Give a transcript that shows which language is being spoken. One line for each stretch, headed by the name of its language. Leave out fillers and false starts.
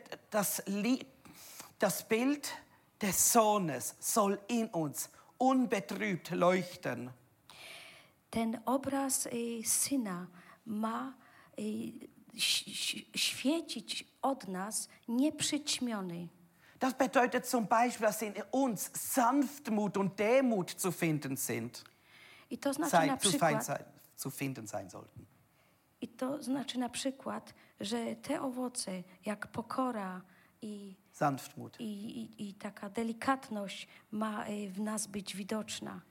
German: Das Bild des Sohnes soll in uns unbetrübt leuchten.
Polish: Ten obraz Syna ma świecić od nas nieprzyćmiony.
German: Das bedeutet zum Beispiel, dass in uns Sanftmut und Demut zu finden sind.
Polish: I to znaczy sein, na przykład,
German: zu finden sein sollten.
Polish: I to znaczy na przykład, że te owoce, jak pokora i
German: Sanftmut
Polish: i taka delikatność ma w nas być widoczna.